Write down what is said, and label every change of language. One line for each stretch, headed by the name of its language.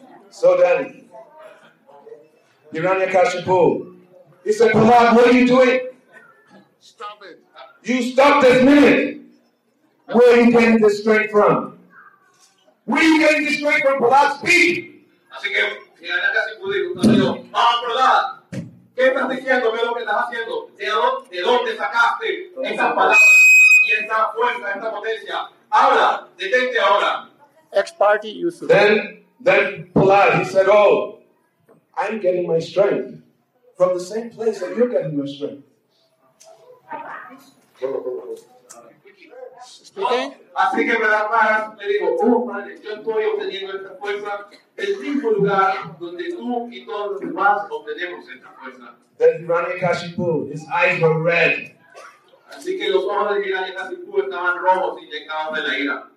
English: So then, Hiranyakashipu, he said, Prahlad, what are you doing? Stop it. You stop this minute. Where are you getting this strength from? Where are you getting this strength from, Prahlad? Speak.
Spanish: Así que, Hiranyakashipu dijo, ah, Prahlad, ¿qué estás diciendo? ¿Qué es lo que estás haciendo? ¿De dónde sacaste esas palabras y esa fuerza, esta potencia? Habla, detente ahora. Ex-party Yusuf.
English: Then Prahlad, he said, oh, I'm getting my strength from the same place that you're getting your strength.
Spanish: Así que Prahlad Maharaj me dijo, oh, padre, yo estoy obteniendo esta fuerza del mismo lugar donde tú y todos los demás obtenemos esta fuerza.
English: Then Hiranyakashipu, his eyes were red.
Spanish: Así que los ojos de Hiranyakashipu estaban rojos y llenados de la ira.